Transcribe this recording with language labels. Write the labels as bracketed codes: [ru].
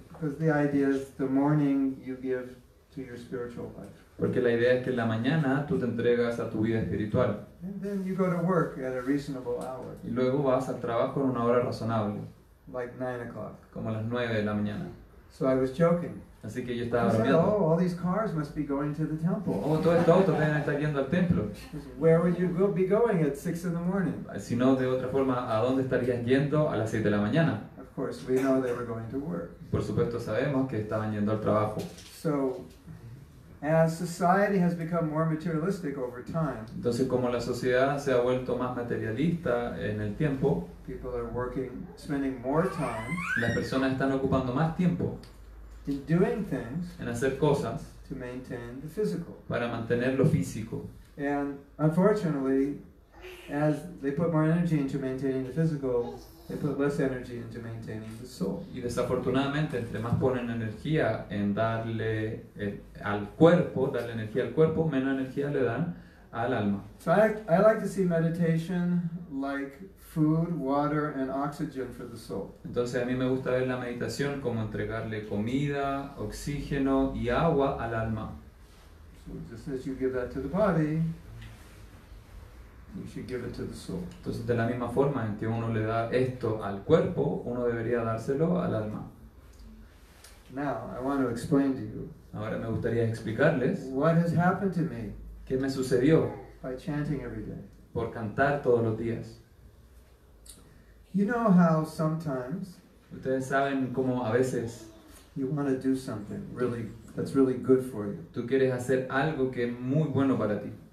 [en] Because the idea is the morning you give to your spiritual life. [es] Porque la idea es que en la mañana tú te entregas a tu vida espiritual. [en] And then you go to work at a reasonable hour. [es] Y luego vas al trabajo en una hora razonable. [en] Like 9 o'clock. [es] Como a las 9 a.m. [en] So I was joking. [es] Así que yo estaba bromeando. [en] Oh, all these cars must be going to the temple. [es] Oh, todos estos autos deben estar yendo al templo. [en] Where would you be going at 6 a.m? [es] Si no, de otra forma, ¿a dónde estarías yendo a las 6 a.m? [en] Of course, we know they were going to work. [es] Por supuesto, sabemos que estaban yendo al trabajo. [en] So, as society has become more materialistic over time. [es] Entonces, como la sociedad se ha vuelto más materialista en el tiempo. [en] People are working, spending more time. [es] Las personas están ocupando más tiempo. [en] In doing things. [es] En hacer cosas. [en] To maintain the physical. [es] Para mantener lo físico. [en] And unfortunately, as they put more energy into maintaining the physical, they put less energy into maintaining the soul. [es] Y desafortunadamente, entre más ponen energía en darle al cuerpo, darle energía al cuerpo, menos energía le dan al alma. [en] So I like to see meditation like food, water, and oxygen for the soul. [es] Entonces a mí me gusta ver la meditación como entregarle comida, oxígeno y agua al alma. [en] So just as you give that to the body, You should give it to the soul. [es] Entonces, de la misma forma en que uno le da esto al cuerpo, uno debería dárselo al alma. [en] Now, I want to explain to you. [es] Ahora me gustaría explicarles [en] what has happened to me. [es] ¿Qué me sucedió? [en] By chanting every day. [es] Por cantar todos los días. [en] You know how sometimes. [es] Ustedes saben cómo a veces. [en] You want to do something really that's really good for you. [es] Tú quieres hacer algo que es muy bueno para ti.